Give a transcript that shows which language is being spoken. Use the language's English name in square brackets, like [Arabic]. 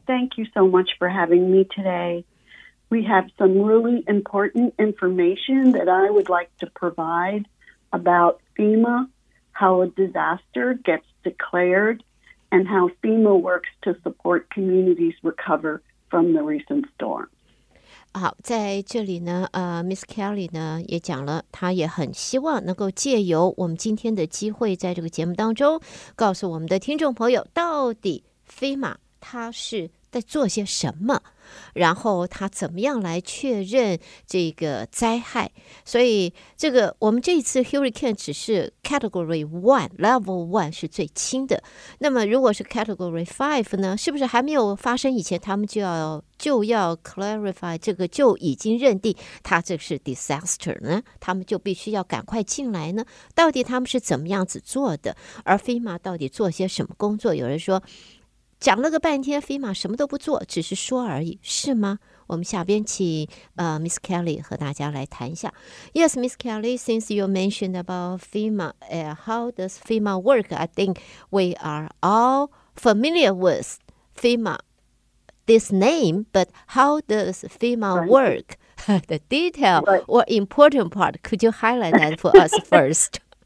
[English] Thank you so much for having me today. We have some really important information that I would like to provide about FEMA, how a disaster gets declared, and how FEMA works to support communities recover from the recent storm. [Chinese] 好，在这里呢Miss Kelly 呢也讲了，她也很希望能够借由我们今天的机会，在这个节目当中告诉我们的听众朋友，到底 FEMA 它是在做些什么，然后它怎么样来确认这个灾害。所以这个我们这一次 Hurricane 只是 Category 1 Level 1是最轻的，那么如果是 Category 5呢，是不是还没有发生以前他们就要 clarify 这个，就已经认定它这是 disaster 呢？他们就必须要赶快进来呢？到底他们是怎么样子做的？而 FEMA 到底做些什么工作？有人说讲了个半天 FEMA 什么都不做，只是说而已，是吗？我们下边请Miss Kelly 和大家来谈一下。 [English] Yes, Miss Kelly, since you mentioned about FEMA, how does FEMA work? I think we are all familiar with FEMA, this name, but how does FEMA work? The detail or important part, could you highlight that for us first?